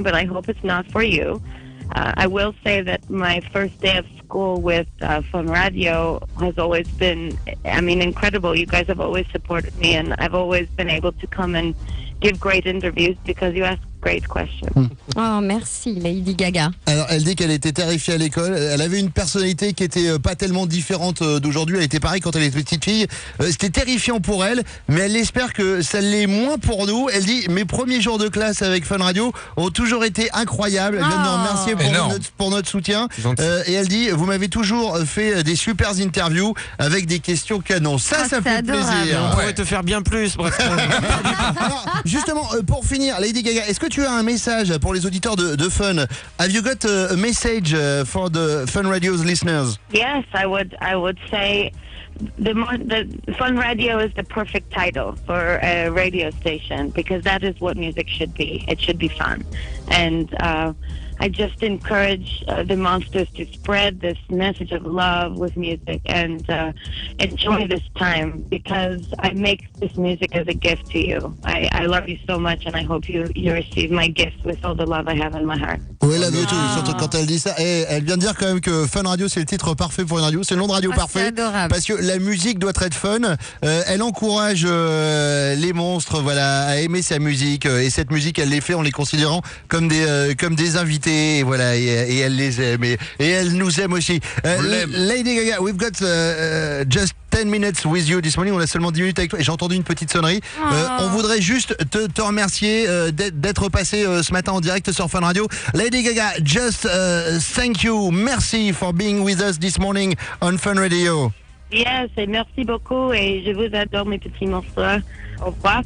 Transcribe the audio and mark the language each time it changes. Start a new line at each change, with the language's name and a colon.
English: But I hope it's not for you. I will say that my first day of school with Fun Radio has always been, incredible. You guys have always supported me, and I've always been able to come and give great interviews because you ask great questions.
French: Oh, merci, Lady Gaga. Alors, elle dit qu'elle était terrifiée à l'école. Elle avait une personnalité qui n'était pas tellement différente d'aujourd'hui. Elle était pareille quand elle était petite fille. C'était terrifiant pour elle, mais elle espère que ça l'est moins pour nous. Elle dit, mes premiers jours de classe avec Fun Radio ont toujours été incroyables. Elle vient de nous remercier pour notre soutien. Et elle dit, vous m'avez toujours fait des super interviews avec des questions canon. Ça, ça fait adorable. Plaisir. On pourrait te faire bien plus. Bref. Alors, justement, pour finir, Lady Gaga, est-ce que tu as un message pour les auditeurs de Fun?
English: Have you got a message for the Fun Radio's listeners? Yes, I would say the Fun Radio is the perfect title for a radio station because that is what music should be. It should be fun. And I just encourage the monsters to spread this message of love with music and enjoy this time because I make this music as a gift to you. I love you so much and I hope you receive my gift with all the love I have in my heart.
French: Oui, elle veut tout, surtout quand elle dit ça. Et elle vient de dire quand même que Fun Radio, c'est le titre parfait pour une radio. C'est le nom de radio parfait. C'est adorable. Parce que la musique doit être fun. Elle encourage les monstres, voilà, à aimer sa musique. Et cette musique, elle les fait en les considérant comme des invités. chanter, voilà, et elle les aime, et elle nous aime aussi.
English: Lady Gaga, we've got just 10 minutes with you this morning,
French: on a seulement 10 minutes avec toi, et j'ai entendu une petite sonnerie. On voudrait juste te remercier d'être passé ce matin en direct sur Fun Radio.
English: Lady Gaga, just thank you,
French: merci
English: for being with us this morning on Fun Radio. Yes,
French: et merci beaucoup, et je vous adore, mes petits morceaux. Au revoir,